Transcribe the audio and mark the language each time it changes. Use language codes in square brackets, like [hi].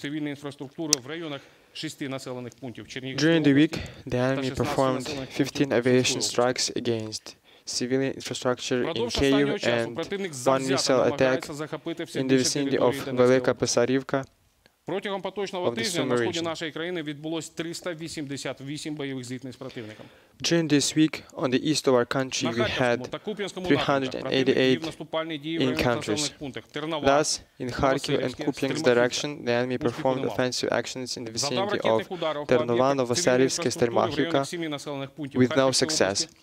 [en] During the week, the enemy performed 15 aviation strikes against civilian infrastructure in Kyiv and one missile attack in the vicinity of Velika Pesarivka. [uk] Протягом поточного тижня на сході нашої країни відбулось 388 бойових зіткнень з противником. [en] During this week, on the east of our country, we had 388 encounters. Thus, in Kharkiv and Kupiansk direction, the enemy performed offensive actions in the vicinity of Ternova, Novosarivske, Stermahivka with no success.